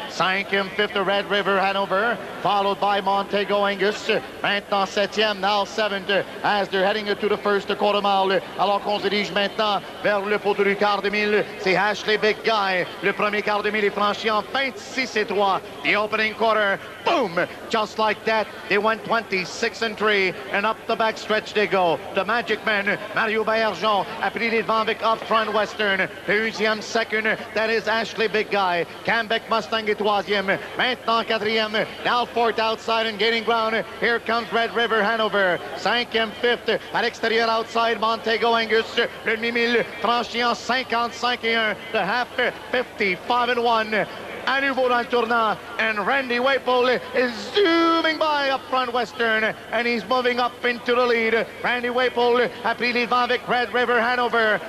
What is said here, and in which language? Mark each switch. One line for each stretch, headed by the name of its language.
French: Cinquième,
English: fifth, Red River Hanover, followed by Montego Angus.
French: Maintenant, septième,
English: now seventh, as they're heading to the first quarter mile.
French: Alors qu'on se dirige maintenant vers le poteau du quart de mille, c'est Ashley Big Guy. Le premier quart de mille est franchi en 26-3.
English: The opening quarter, boom! Just like that, they went 26-3, and up the back stretch they go.
French: The Magic Man, Mario Bergeon, a pris les devants avec Up Front Western. Deuxième,
English: second, that is
French: Ashley Big Guy. Cambeck Mustang est troisième. Maintenant, quatrième.
English: Now fourth outside and gaining ground. Here comes Red River Hanover.
French: Cinquième,
English: fifth.
French: À l'extérieur,
English: outside, Montego Angus.
French: Le demi-mille franchi en 55-1.
English: The half, 55-1.
French: A nouveau dans le tournant,
English: and Randy Waples is zooming by Up Front Western, and he's moving up into the lead.
French: Randy Waples a pris les devants avec Red River Hanover.